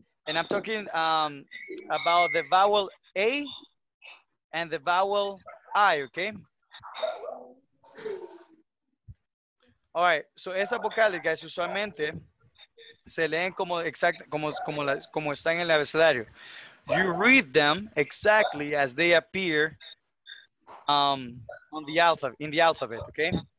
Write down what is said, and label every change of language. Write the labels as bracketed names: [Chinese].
[English] And I'm talking about the vowel A, and the vowel I, okay? All right, so [Spanish] esta vocal, guys, usualmente se leen como exact, como están en el abecedario. [English] You read them exactly as they appear on the alphabet, in the alphabet, okay?